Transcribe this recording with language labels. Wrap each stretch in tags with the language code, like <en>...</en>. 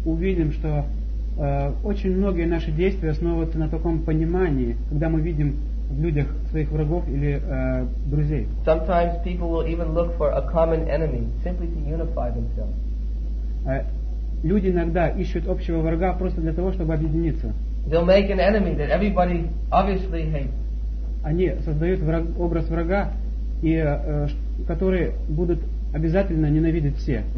<ru>Увидим, что очень многие наши действия основываются на таком понимании, когда мы видим в людях своих врагов или друзей.</ru> <en>Sometimes people will even look for a common enemy simply to unify themselves.</en> <ru>Люди иногда ищут общего врага просто для того, чтобы объединиться.</ru> <en>They'll make an enemy that everybody obviously hates.</en> <ru>Они создают образ врага, и которые будут обязательно ненавидеть все.</ru>